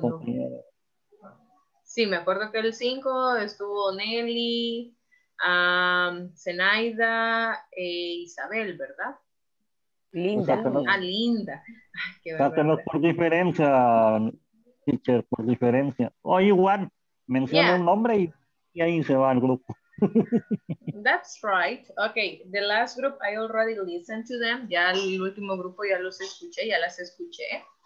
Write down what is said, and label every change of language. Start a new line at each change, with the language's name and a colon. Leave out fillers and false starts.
Spanish: Compañeros. Sí, me acuerdo que el 5 estuvo Nelly, Zenaida e Isabel, ¿verdad? Linda. Ah, Linda. Sáquenos por diferencia, teacher, por diferencia. O igual, menciona un nombre y ahí se va el grupo.
English: That's right. Okay, the last group, I already listened to them.
Spanish: Ya el último grupo ya los escuché, ya las escuché.